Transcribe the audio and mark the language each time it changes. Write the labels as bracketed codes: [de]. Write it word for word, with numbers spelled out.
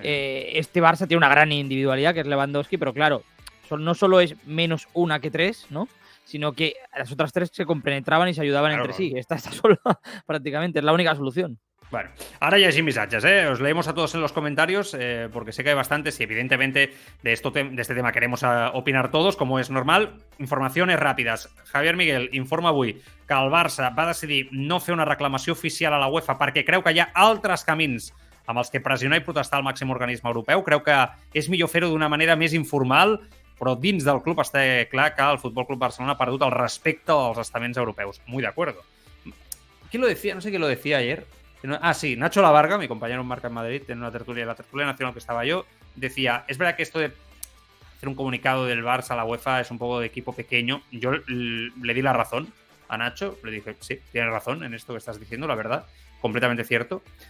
[es] Eh, este Barça tiene una gran individualidad, que es Lewandowski, pero claro, no solo es menos una que tres, ¿no? Sino que las otras tres se compenetraban y se ayudaban claro, entre sí. Esta está sola prácticamente, es la única solución. Bueno, ahora ya hay mensajes, ¿eh? Os leemos a todos en los comentarios, eh, porque sé que hay bastantes y evidentemente de, esto te- de este tema queremos eh, opinar todos, como es normal. [ca] Informaciones ràpides. Javier Miguel informa avui que el Barça va decidir no fer una reclamació oficial a la UEFA perquè creu que hi ha altres camins amb els que pressionar i protestar al màxim organisme europeu. Creu que és millor fer-ho d'una manera més informal, però dins del club està clar que el Futbol Club Barcelona ha perdut el respecte als estaments europeus. [es] Muy de acuerdo. ¿Quién lo decía? No sé quién lo decía ayer. Ah, sí, Nacho Lavarga, mi compañero en Marca en Madrid, en una tertulia, la tertulia nacional que estaba yo, decía, es verdad que esto de hacer un comunicado del Barça a la UEFA es un poco de equipo pequeño. Yo le di la razón a Nacho, le dije, sí, tienes razón en esto que estás diciendo, la verdad, completamente cierto.